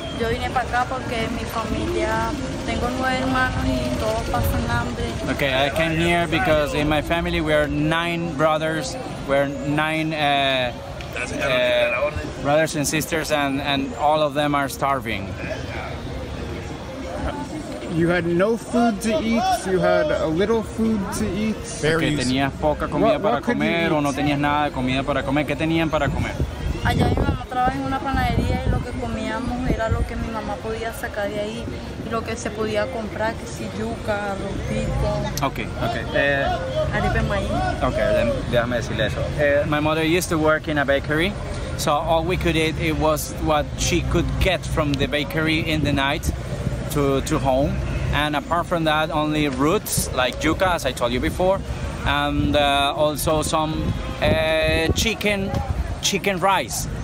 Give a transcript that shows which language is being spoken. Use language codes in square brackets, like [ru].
[es] Yo vine para acá porque mi familia, tengo nueve hermanos y todos pasan hambre. [en] Okay, I came here because in my family we are nine brothers, we're nine brothers and sisters, and all of them are starving. You had no food to eat. You had a little food to eat. [es] Okay, tenías poca comida para comer o no tenías nada de comida para comer. ¿Qué tenían para comer? Allá mi mamá trabaja en una panadería y lo que comíamos era lo que mi mamá podía sacar de ahí y lo que se podía comprar, que si yuca, arrozito. Okay. Arepa y maíz. Okay, then déjame decirle eso. [en] My mother used to work in a bakery, so all we could eat, it was what she could get from the bakery in the night to home, and apart from that, only roots like yuca, as I told you before, and also some chicken rice.